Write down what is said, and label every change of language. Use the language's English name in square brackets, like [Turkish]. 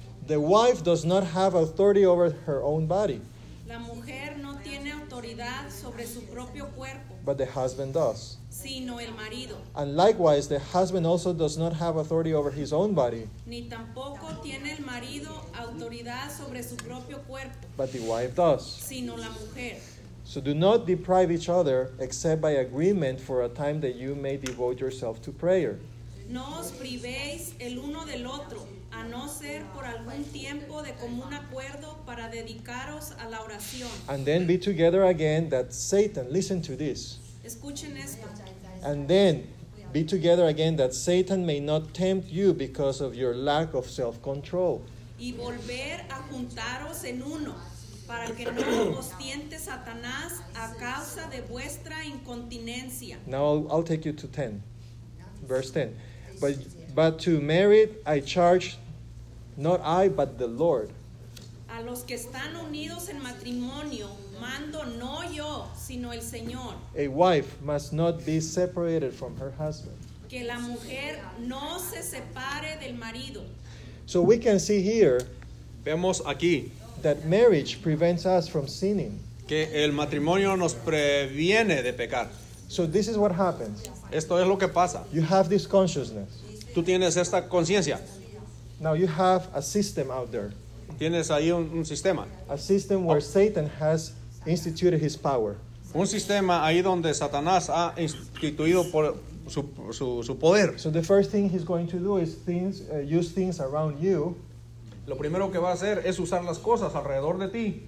[English] The wife does not have authority over her own body. [Spanish] La mujer no tiene autoridad sobre su propio cuerpo. [English] But the husband does. [Spanish] Sino el marido. [English] And likewise, the husband also does not have authority over his own body. [Spanish] Ni tampoco tiene el marido autoridad sobre su propio cuerpo. [English] But the wife does. [Spanish] Sino la mujer. [English] So do not deprive each other except by agreement for a time that you may devote yourself to prayer. [Spanish] No os privéis el uno del otro, a no ser por algún tiempo de común acuerdo para dedicaros a la oración. [English] And then be together again that Satan, listen to this. [Spanish] Escuchen esto. [English] And then be together again that Satan may not tempt you because of your lack of self-control. [Spanish] Y volver a juntaros en uno, para que no os tiente Satanás a causa de vuestra incontinencia. [English] Now I'll take you to 10. Verse 10. But to married I charge not I but the Lord. [Spanish] A los que están unidos en matrimonio mando no yo sino el Señor. [English] A wife must not be separated from her husband. [Spanish] Que la mujer no se separe del marido. [English] So we can see here, [Spanish] vemos aquí, [English] that marriage prevents us from sinning. [Spanish] Que el matrimonio nos previene de pecar. [English] So this is what happens. [Spanish] Esto es lo que pasa. [English] You have this consciousness. [Spanish] Tú tienes esta conciencia. [English] Now you have a system out there. [Spanish] Tienes ahí un sistema. [English] A system where Satan has instituted his power. [Spanish] Un sistema ahí donde Satanás ha instituido por su poder. [English] So the first thing he's going to do is use things around you. [Spanish] Lo primero que va a hacer es usar las cosas alrededor de ti.